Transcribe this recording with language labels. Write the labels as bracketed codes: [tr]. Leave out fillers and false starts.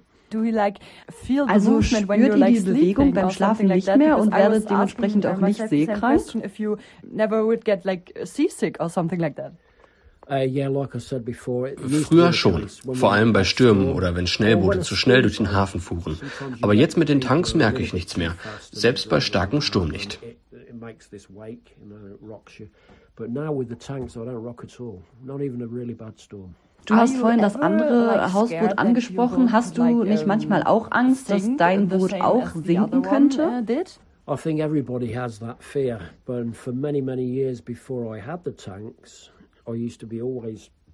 [en] Do you like feel also the movement when you're like sleeping [de] beim Schlafen nicht mehr und werdet dementsprechend auch nicht seekrank? [en] If you never would get like seasick or something like that. [de] Früher schon, vor allem bei Stürmen oder wenn Schnellboote zu schnell durch den Hafen fuhren. Aber jetzt mit den Tanks merke ich nichts mehr, selbst bei starkem Sturm nicht. Du hast vorhin das andere Hausboot angesprochen. Hast du nicht manchmal auch Angst, dass dein Boot auch sinken könnte? [en] I think everybody has that fear, but for many, many years before I had the tanks, I used to be always.